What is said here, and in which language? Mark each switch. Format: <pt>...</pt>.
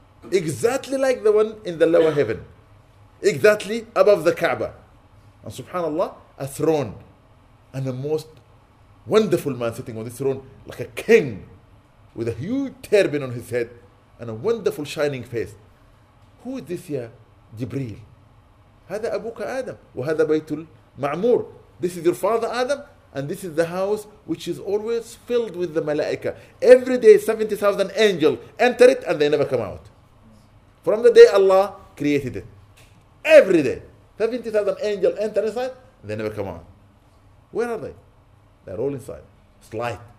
<en>Exactly like the one in the lower heaven. Exactly above the Kaaba. And subhanAllah, a throne. And the most wonderful man sitting on this throne, like a king with a huge turban on his head and a wonderful shining face. Who is this here? Jibreel.</en> <ar>هذا أبوك آدم وهذا بيت المعمور.</ar> <en>This is your father Adam, and this is the house which is always filled with the malaika. Every day 70,000 angels enter it and they never come out. From the day Allah created it. Every day. 70,000 angels enter inside, they never come out. Where are they? They're all inside. It's light.</en>